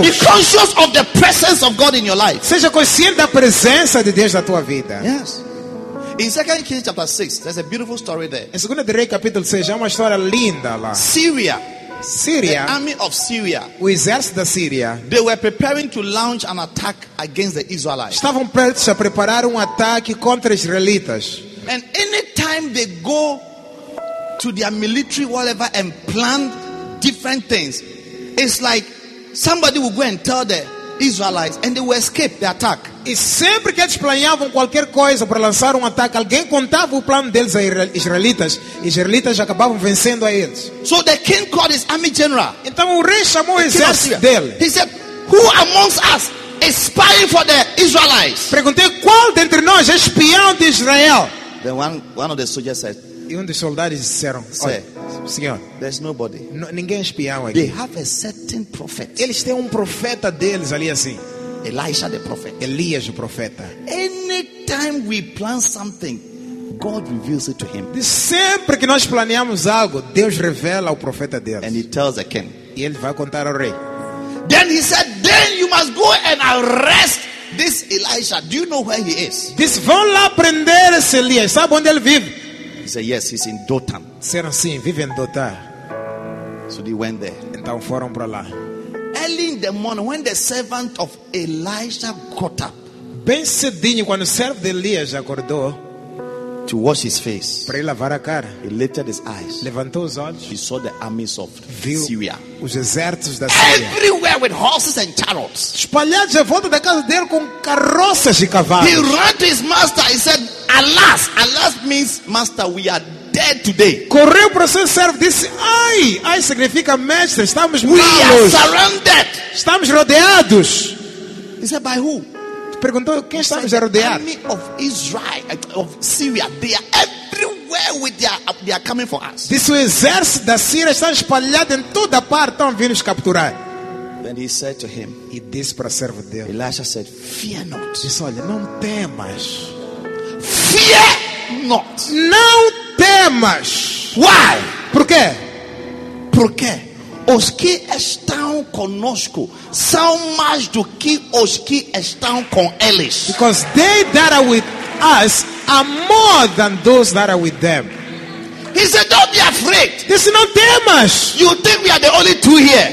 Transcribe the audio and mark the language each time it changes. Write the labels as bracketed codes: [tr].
[en] Be conscious of the presence of God in your life. [pt] Seja consciente da presença de Deus na tua vida. [en] Yes. In 2 Kings chapter 6, there's a beautiful story there. [pt] Em 2 Reis capítulo 6, há uma história linda lá. [en] Syria. Syria, the army of Syria, [pt] o exército da Síria, [en] they were preparing to launch an attack against the Israelites. [pt] Estavam prestes a preparar ataque contra os israelitas. [en] And any time they go to their military, whatever, and plan different things, it's like somebody will go and tell the Israelites, and they will escape the attack. [pt] E sempre que eles planejavam qualquer coisa para lançar ataque, alguém contava o plano deles a israelitas, e israelitas acabavam vencendo a eles. [en] So the king called his army general. [pt] Então o rei chamou o exército dele. [en] He said, "Who amongst us is spying for the Israelites?" [pt] Perguntei qual dentre nós é espião de Israel. [en] Then one of the soldiers said, [pt] e um dos soldados disseram, Senhor, [en] there's nobody. [pt] Ninguém espião aqui. [en] They have a certain prophet. [pt] Eles têm profeta deles ali assim. [en] Elijah the prophet. [pt] Elias o profeta. [en] Anytime we plan something, God reveals it to him. [pt] De sempre que nós planejamos algo, Deus revela ao profeta deles. [en] And he tells the king. [pt] E ele vai contar ao rei. [en] Then he said, "Then you must go and arrest this Elijah. Do you know where he is?" [pt] Diz, vão lá prender esse Elias. Sabe onde ele vive? [en] He said, "Yes, he's in Dothan." [pt] Será sim, vive em Dothan. [en] So they went there. [pt] Então foram para lá. [en] Early in the morning, when the servant of Elijah got up, [pt] bem cedinho quando o servo de Elias acordou, [en] to wash his face, [pt] para ele lavar a cara, [en] he lifted his eyes, [pt] levantou os olhos, [en] he saw the armies of Syria, [pt] os exércitos da Síria, [en] everywhere with horses and chariots, [pt] espalhados à volta da casa dele com carroças e cavalos. [en] He ran to his master. He said, "Alas, alas means master, we are dead today." [pt] Correu para o seu servo, disse, "Ai, ai significa mestre, estamos mortos. [en] We are surrounded. [pt] Estamos rodeados." [en] He said, "By who?" [pt] Perguntou, quem está a rodear? [en] Army of Israel, of Syria, they are everywhere with they are coming for us. [pt] Disse, o exército da Síria está espalhado em toda parte, estão vindo nos capturar. [en] Then he said to him, [pt] e disse para o servo dele, [en] Elisha said, "Fear not." [pt] Disse, olha, não temas. [en] Fear not. [pt] Não temas. [en] Why? [pt] Por quê? Por quê? Os que estão conosco são mais do que os que estão com eles. [en] Because they that are with us are more than those that are with them. He said, "Don't be afraid." This is not demas. You think we are the only two here?